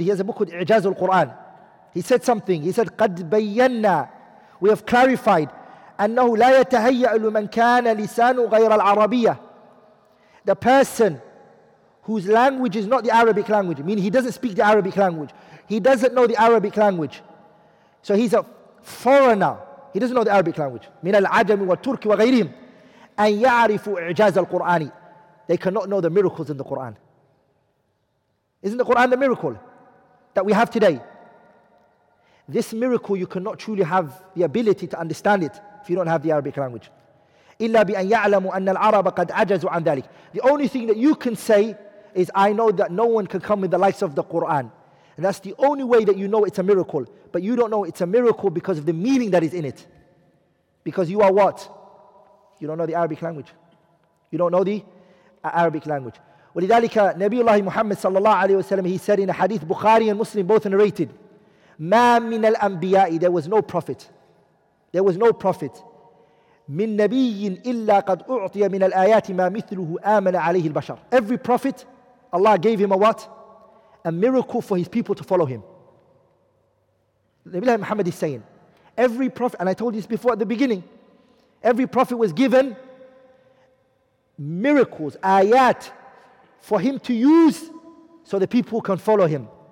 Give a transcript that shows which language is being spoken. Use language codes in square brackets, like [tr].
[en] He has a book called إعجاز القرآن. He said something. He said, [ar] قَدْ بَيَّنَّا, [en] we have clarified, [ar] أَنَّهُ لَا يَتَهَيَّأُ لُمَنْ كَانَ لِسَانُ غَيْرَ الْعَرَبِيَّةِ, [en] the person whose language is not the Arabic language, meaning he doesn't speak the Arabic language, he doesn't know the Arabic language, so he's a foreigner, he doesn't know the Arabic language, [ar] من العجم والترك وغيرهم, أن يعرفوا إعجاز القرآن, [en] they cannot know the miracles in the Quran. Isn't the Quran the miracle that we have today? This miracle, you cannot truly have the ability to understand it if you don't have the Arabic language. [ar] إلا بأن يعلموا أن العرب قد عجزوا عن ذلك. [en] The only thing that you can say is, I know that no one can come with the likes of the Quran. And that's the only way that you know it's a miracle. But you don't know it's a miracle because of the meaning that is in it. Because you are what? You don't know the Arabic language. You don't know the Arabic language. [ar] ولذلك [en] نبيullah Muhammad sallallahu alayhi wa sallam, he said in a hadith, Bukhari and Muslim both narrated, [ar] ما من الأنبياء, [en] there was no prophet. There was no prophet. [ar] من نبي إلا قد أعطي من الآيات ما مثله آمن عليه البشر. [en] Every prophet, Allah gave him a what? A miracle for his people to follow him. Nabiullah Muhammad is saying, every prophet, and I told this before at the beginning, every prophet was given miracles, ayat, for him to use so the people can follow him.